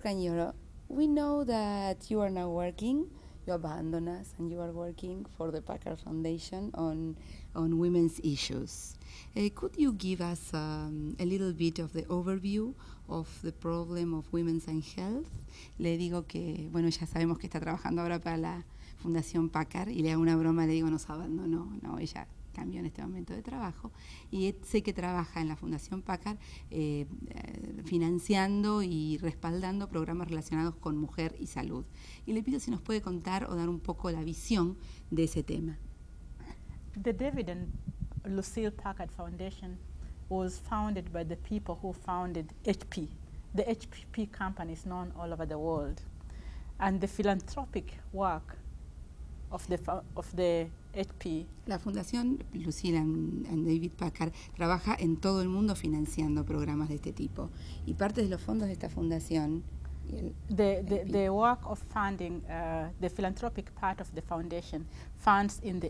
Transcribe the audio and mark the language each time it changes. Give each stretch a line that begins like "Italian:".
English: Bicanyoro, we know that you are now working, you abandoned us, and you are working for the Packard Foundation on women's issues. Could you give us a little bit of the overview of the problem of women's and health?
Spanish: Le digo que, bueno, ya sabemos que está trabajando ahora para la Fundación Packard, y le hago una broma, le digo, nos abandonó, no, ella cambió en este momento de trabajo, y sé que trabaja en la Fundación Packard financiando y respaldando programas relacionados con mujer y salud. Y le pido si nos puede contar o dar un poco la visión de ese tema.
English: The David and Lucille Packard Foundation was founded by the people who founded HP. The HP company is known all over the world. And the philanthropic work of the HP.
Spanish: La Fundación Lucille and David Packard trabaja en todo el mundo financiando programas de este tipo. Y parte de los fondos de esta fundación...
English: The work of funding, the philanthropic part of the foundation funds in the